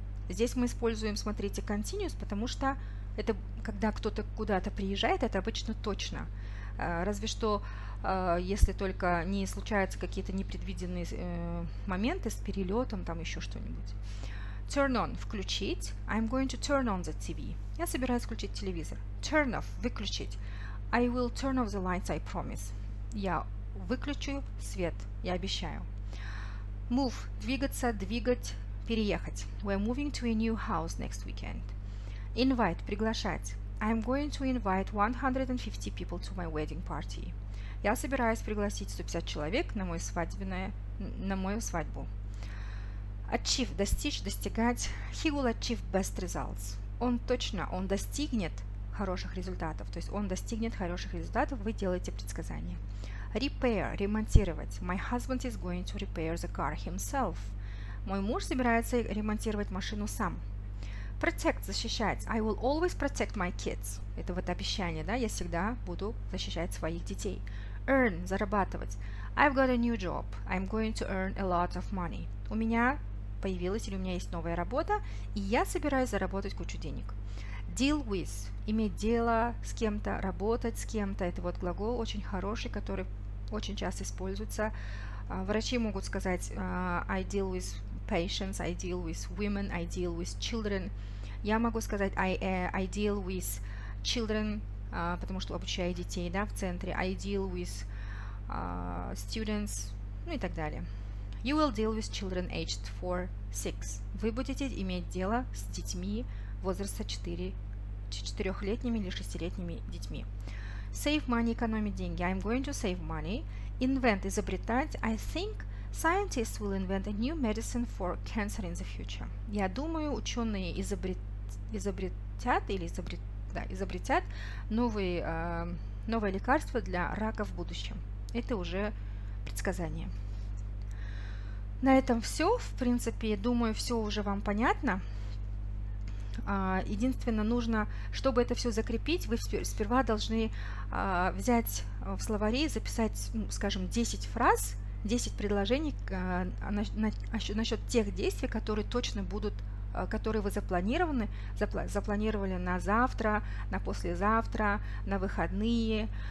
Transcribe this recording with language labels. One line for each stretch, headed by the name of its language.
Russian: Здесь мы используем, смотрите, continuous, потому что это когда кто-то куда-то приезжает, это обычно точно. Разве что, если только не случаются какие-то непредвиденные моменты с перелетом, там еще что-нибудь.
English: Turn on –
Russian: включить.
English: I'm going to turn on the TV.
Russian: Я собираюсь включить телевизор.
English: Turn off –
Russian: выключить.
English: I will turn off the lights, I promise.
Russian: Я выключу свет, я обещаю.
English: Move
Russian: – двигаться, двигать, переехать.
English: We're moving to a new house next weekend. Invite –
Russian: приглашать.
English: I'm going to invite 150 people to my wedding party.
Russian: Я собираюсь пригласить 150 человек на мою свадебную, на мою свадьбу.
English: Achieve –
Russian: достичь, достигать.
English: He will achieve best results.
Russian: Он точно, он достигнет хороших результатов. То есть он достигнет хороших результатов, вы делаете предсказание.
English: Repair –
Russian: ремонтировать.
English: My husband is going to repair the car himself.
Russian: Мой муж собирается ремонтировать машину сам.
English: Protect –
Russian: защищать.
English: I will always protect my kids.
Russian: Это вот обещание, да, я всегда буду защищать своих детей.
English: Earn –
Russian: зарабатывать.
English: I've got a new job. I'm going to earn a lot of money.
Russian: У меня появилась или у меня есть новая работа, и я собираюсь заработать кучу денег.
English: Deal with
Russian: – иметь дело с кем-то, работать с кем-то. Это вот глагол очень хороший, который очень часто используется. Врачи могут сказать
English: I deal with patients, I deal with women, I deal with children.
Russian: Я могу сказать
English: I deal with children,
Russian: потому что обучаю детей, да, в центре.
English: I deal with students,
Russian: ну и так далее.
English: You will deal with children aged 4-6.
Russian: Вы будете иметь дело с детьми возраста 4-летними или 6-летними детьми.
English: Save money,
Russian: экономить деньги.
English: I'm going to save money. Invent –
Russian: изобретать.
English: I think scientists will invent a new medicine for cancer in the future.
Russian: Я думаю, ученые изобретят новое лекарство для рака в будущем. Это уже предсказание. На этом все. В принципе, думаю, все уже вам понятно. Единственное, нужно, чтобы это все закрепить, вы сперва должны взять в словаре и записать, скажем, 10 фраз, 10 предложений насчет тех действий, которые точно будут, которые вы запланировали на завтра, на послезавтра, на выходные.